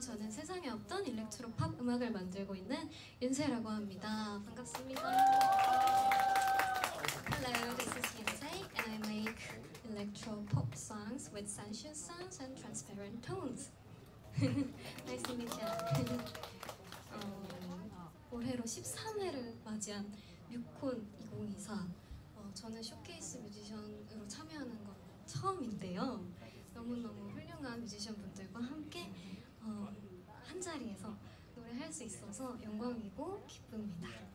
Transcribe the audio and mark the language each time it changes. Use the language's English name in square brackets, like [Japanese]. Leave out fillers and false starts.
[Korean] 저는 세상에 없던 일렉트로 팝 음악을 만들고 있는 윤세라고 합니다. 반갑습니다. [English] Hello, this is Yunsei and I make electro pop songs with sensual sounds and transparent tones. Nice to meet you. [Korean] 올해로 13회를 맞이한 뮤콘 2024. 저는 쇼케이스 뮤지션으로 참여하는 건 처음인데요. 너무너무 훌륭한 뮤지션 분들과 함께 한 자리에서 노래할 수 있어서 영광이고 기쁩니다.